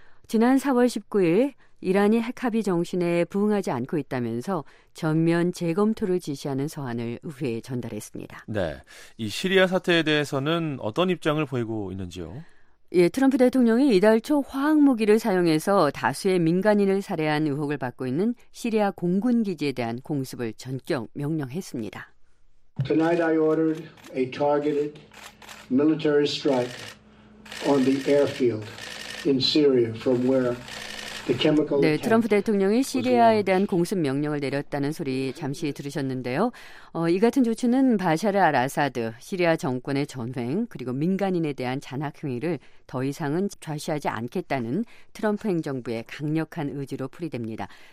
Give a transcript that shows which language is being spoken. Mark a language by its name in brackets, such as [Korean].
[Korean] 지난 4월 19일 이란이 핵합의 정신에 부응하지 않고 있다면서 전면 재검토를 지시하는 서한을 의회에 전달했습니다. 네, 이 시리아 사태에 대해서는 어떤 입장을 보이고 있는지요? 예, 트럼프 대통령이 이달 초 화학무기를 사용해서 다수의 민간인을 살해한 의혹을 받고 있는 시리아 공군기지에 대한 공습을 전격 명령했습니다. [English] Tonight I ordered a targeted military strike on the airfield in Syria from where [Korean] 네, 트럼프 대통령이 시리아에 대한 공습 명령을 내렸다는 소리 잠시 들으셨는데요. 이 같은 조치는 바샤르 알아사드, 시리아 정권의 전횡, 그리고 민간인에 대한 잔악 행위를 더 이상은 좌시하지 않겠다는 트럼프 행정부의 강력한 의지로 풀이됩니다.